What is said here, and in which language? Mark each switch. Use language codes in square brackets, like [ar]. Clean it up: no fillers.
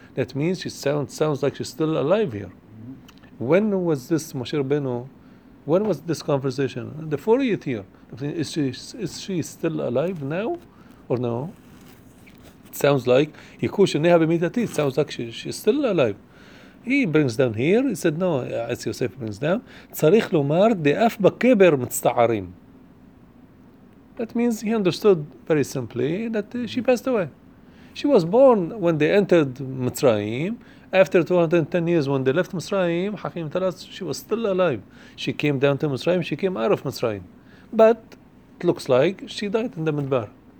[en] That means she sounds like she's still alive here. When was this Moshe Rabbeinu? When was this conversation? The 40th year. Is she still alive now or no? It sounds like she's still alive. He brings down here. He said, no, as Yosef brings down. [he] צריך לומר, דאף בקבר מצטערים. [en] That means he understood very simply that she passed away. She was born when they entered Mitzrayim. After 210 years, when they left Mitzrayim, Hakim tell us she was still alive. She came down to Mitzrayim, she came out of Mitzrayim. But it looks like she died in the Midbar.